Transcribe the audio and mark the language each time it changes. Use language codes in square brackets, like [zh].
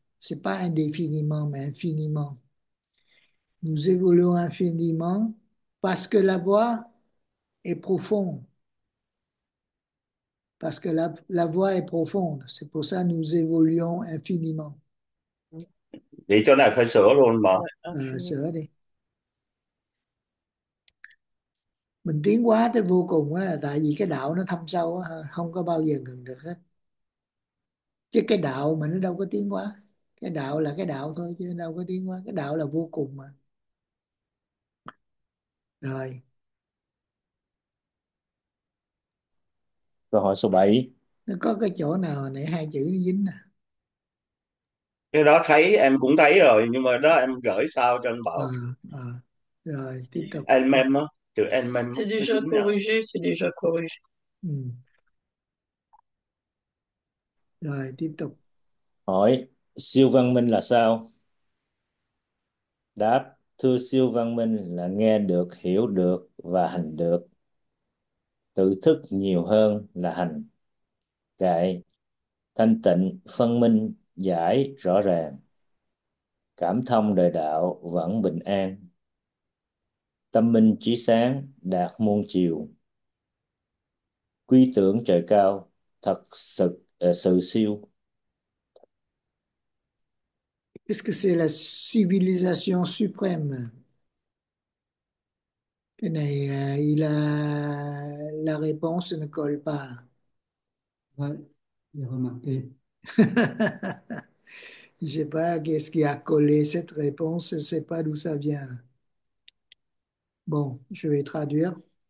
[fr] C'est pas indéfiniment, mais infiniment. Nous évoluons infiniment parce que la voie est profonde. Parce que la voie est profonde. C'est pour ça que nous évoluons infiniment. [vi] Thì chỗ này phải sửa luôn mà. Sửa đi. Mình tiến hóa tới vô cùng á, tại vì cái đạo nó thâm sâu á, không có bao giờ ngừng được hết. Chứ cái đạo mà nó đâu có tiến hóa. Cái đạo là cái đạo thôi chứ đâu có tiến hóa. Cái đạo là vô cùng mà. Rồi. Câu hỏi số 7. Nó có cái chỗ nào này hai chữ nó dính nè. Cái đó thấy em cũng thấy rồi nhưng mà đó em gửi sao cho anh Bảo Rồi tiếp tục. anh mem á, từ anh mem [fr] C'est déjà [vi] chính nào [fr] corrigé, c'est déjà corrigé. [vi] Rồi tiếp tục. hỏi siêu văn minh là sao? Đáp: thưa siêu văn minh là nghe được, hiểu được và hành được, tự thức nhiều hơn là hành, kệ thanh tịnh phân minh giải rõ ràng, cảm thông đời đạo vẫn bình an, tâm minh trí sáng đạt muôn chiều, quy tưởng trời cao thật sự sự siêu. [fr] Qu'est-ce que c'est la civilisation suprême? [vi] Cái này, [fr] la réponse ne colle pas. Ouais, j'ai remarqué. Je ne sais pas qu'est-ce qui a collé cette réponse, je ne sais pas d'où ça vient. Bon, je vais traduire.